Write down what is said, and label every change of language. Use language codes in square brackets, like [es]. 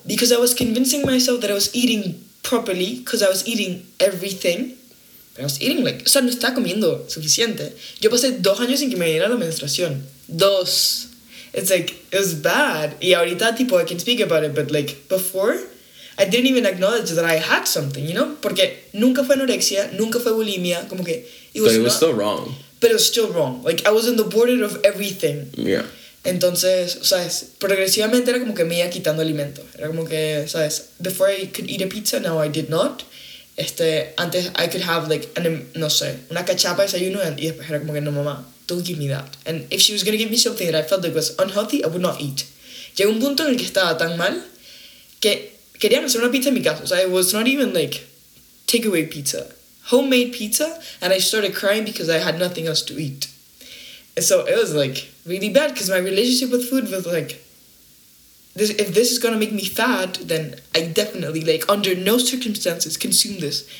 [en] Because I was convincing myself that I was eating properly, because I was eating everything. But I was eating like, [es] o sea, no estaba comiendo suficiente. Yo pasé 2 años sin que me diera la menstruación. 2. [en] It's like, it was bad. [es] Y ahorita, tipo, [en] I can speak about it, but like before, I didn't even acknowledge that I had something, you know? [es] Porque nunca fue anorexia, nunca fue bulimia, como que... [en] But it was still wrong. But it was still wrong. Like, I was on the border of everything. Yeah. [es] Entonces, ¿sabes? Progresivamente era como que me iba quitando alimento. Era como que, ¿sabes? [en] Before I could eat a pizza, now I did not. [es] Este, antes [en] I could have, like, an, [es] no sé, una cachapa de desayuno y después era como que, no, mamá, [en] don't give me that. And if she was going to give me something that I felt like was unhealthy, I would not eat. [es] Llegó un punto en el que estaba tan mal que... Querían hacer una pizza en mi casa. [en] So it was not even like takeaway pizza. Homemade pizza. And I started crying because I had nothing else to eat. And so it was like really bad because my relationship with food was like, this, if this is going to make me fat, then I definitely, like, under no circumstances consume this.